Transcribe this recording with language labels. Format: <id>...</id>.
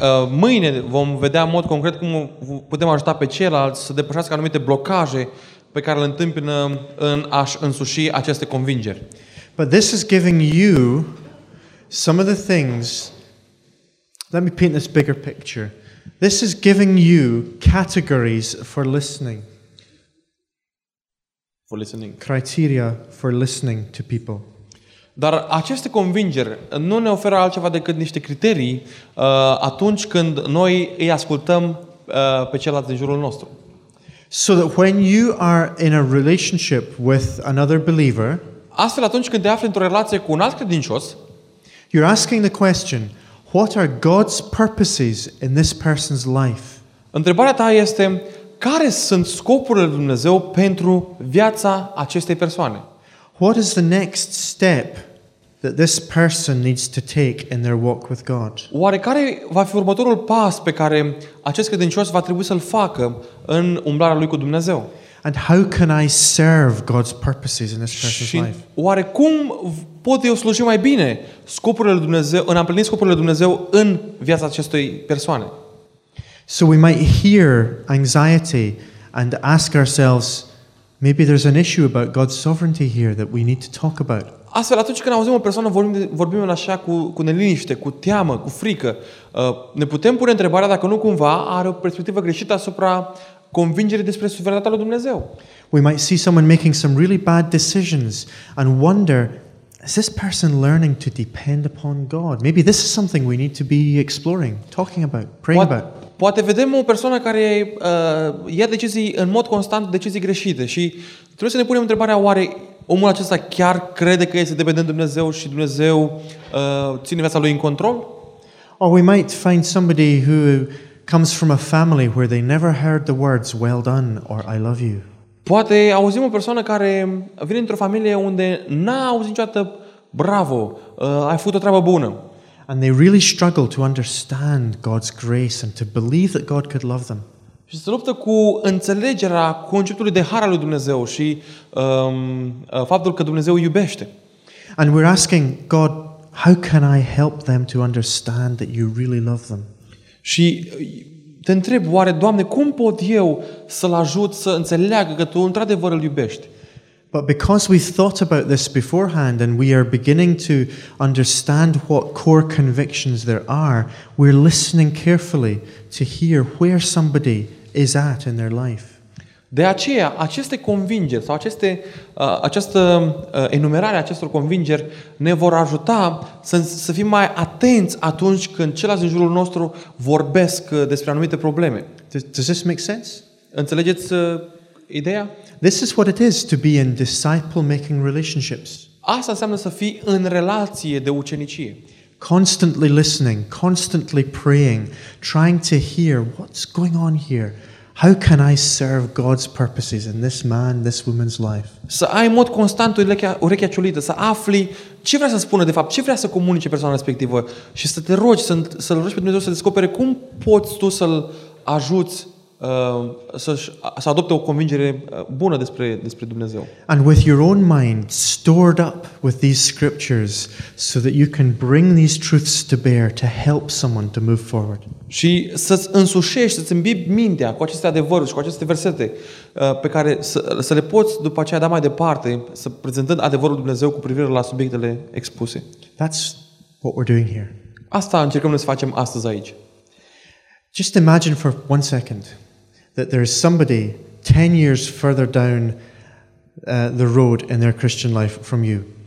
<ro>Mâine vom vedea în mod concret cum putem ajuta pe ceilalți să depășească anumite blocaje pe care le întâmpină în a-și însuși aceste convingeri.</ro> <en>But this is giving you some of the things. Let me paint this bigger picture. This is giving you categories for listening. For listening. Criteria for listening to people.</en> <ro>Dar aceste convingeri nu ne oferă altceva decât niște criterii atunci când noi îi ascultăm pe celălalt din jurul nostru.</ro> <en>So that when you are in a relationship with another believer,</en> <ro>astfel atunci când te afli într-o relație cu un alt credincios,</ro> <en>you're asking the question, what are God's purposes in this person's life?</en> <ro>Întrebarea ta este: care sunt scopurile lui Dumnezeu pentru viața acestei persoane?</ro> <en>What is the next step that this person needs to take in their walk with God?</en> <ro>Oare care va fi următorul pas pe care acest credincios va trebui să-l facă în umblarea lui cu Dumnezeu?</ro> <en>And how can I serve God's purposes in this person's life?</en> <ro>Oare cum pot eu sluji mai bine scopurile lui Dumnezeu, în a împlini scopurile lui Dumnezeu în viața acestei persoane?</ro> <en>So we might hear anxiety and ask ourselves, maybe there's an issue about God's sovereignty here that we need to talk about.</en> <ro>Astfel, atunci când auzim o persoană, vorbim așa cu neliniște, cu teamă, cu frică, ne putem pune întrebarea dacă nu cumva are o perspectivă greșită asupra convingerii despre suveranitatea lui Dumnezeu.</ro> <en>We might see someone making some really bad decisions and wonder, is this person learning to depend upon God? Maybe this is something we need to be exploring, talking about, praying about.</en> <ro>Poate vedem o persoană care ia decizii în mod constant, decizii greșite, și trebuie să ne punem întrebarea, oare omul acesta chiar crede că este dependent de Dumnezeu și Dumnezeu ține viața lui în control?</ro> <en>Or we might find somebody who comes from a family where they never heard the words well done or I love you.</en> <ro>Poate auzim o persoană care vine într-o familie unde n-a auzit niciodată bravo, ai făcut o treabă bună.</ro> <en>And they really struggle to understand God's grace and to believe that God could love them.</en> <ro>Și se luptă cu înțelegerea conceptului de har al lui Dumnezeu și faptul că Dumnezeu îi iubește.</ro> <en>And we're asking God, how can I help them to understand that you really love them?</en> <ro>Și te întreb, oare Doamne, cum pot eu să-l ajut să înțeleagă că tu într-adevăr îl iubești?</ro> <en>But because we thought about this beforehand and we are beginning to understand what core convictions there are, we're listening carefully to hear where somebody is at in their life.</en> <ro>De aceea, aceste convingeri sau această enumerare a acestor convingeri ne vor ajuta să fim mai atenți atunci când ceilalți în jurul nostru vorbesc despre anumite probleme.</ro> <en>Does this make sense?</en> <ro>Înțelegeți ideea?</ro> <en>This is what it is to be in disciple-making relationships.</en> <ro>Asta înseamnă să fii în relație de ucenicie.</ro> <en>Constantly listening, constantly praying, trying to hear what's going on here. How can I serve God's purposes in this man, this woman's life?</en> <ro>Să ai în mod constant urechea ciulită, să afli ce vrea să spună de fapt, ce vrea să comunice persoana respectivă și să te rogi, să-l rogi pe Dumnezeu să descopere cum poți tu să-l ajuți să adopte o convingere bună despre Dumnezeu.</ro> <en>And with your own mind stored up with these scriptures so that you can bring these truths to bear to help someone to move forward.</en> <ro>Și să-ți însușești, să-ți îmbibi mintea cu aceste adevăruri și cu aceste versete pe care să le poți după aceea da mai departe, să prezentând adevărul Dumnezeu cu privire la subiectele expuse.</ro> <en>That's what we're doing here.</en> <ro>Asta încercăm să facem astăzi aici.</ro> <en>Just imagine for one second that there is somebody 10 years further down the road in their Christian life from you.</en>